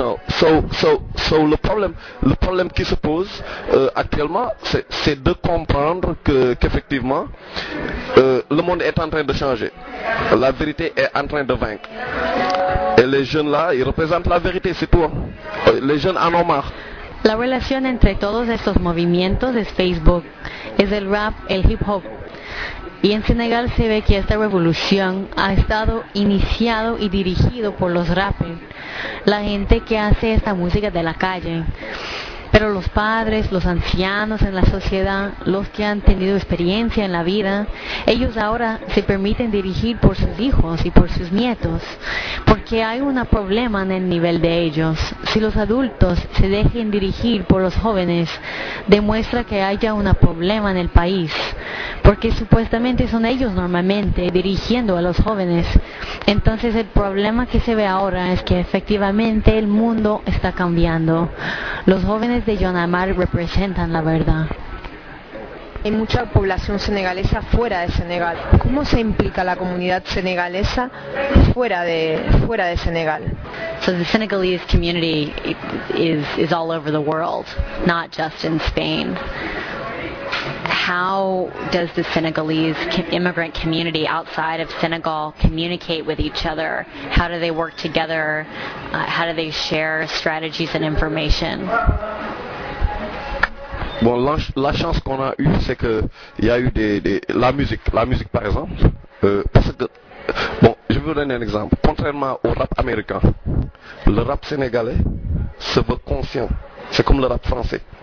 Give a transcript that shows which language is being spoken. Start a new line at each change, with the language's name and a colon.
French: So le problème qui se pose actuellement, c'est de comprendre qu'effectivement, le monde est en train de changer. La vérité est en train de vaincre. Et les jeunes là, ils représentent la vérité, c'est tout. Les jeunes en ont marre.
Spanish: La relación entre todos estos movimientos es Facebook, es el rap, el hip hop. Y en Senegal se ve que esta revolución ha estado iniciado y dirigido por los rappers, la gente que hace esta música de la calle. Pero los padres, los ancianos en la sociedad, los que han tenido experiencia en la vida, ellos ahora se permiten dirigir por sus hijos y por sus nietos, porque hay un problema en el nivel de ellos. Si los adultos se dejen dirigir por los jóvenes, demuestra que haya un problema en el país, porque supuestamente son ellos normalmente dirigiendo a los jóvenes. Entonces el problema que se ve ahora es que efectivamente el mundo está cambiando. Los jóvenes de Yonamar representan la verdad. Hay mucha población senegalesa fuera de Senegal. ¿Cómo se implica la comunidad senegalesa fuera de Senegal?
English: So the Senegalese community is all over the world, not just in Spain. How does the Senegalese immigrant community outside of Senegal communicate with each other? How do they work together? How do they share strategies and information?
French: Bon, la chance qu'on a eu, c'est que il y a eu la musique par exemple, parce que bon, je vais vous donner un exemple. Contrairement au rap américain, le rap sénégalais se veut conscient. C'est comme le rap français.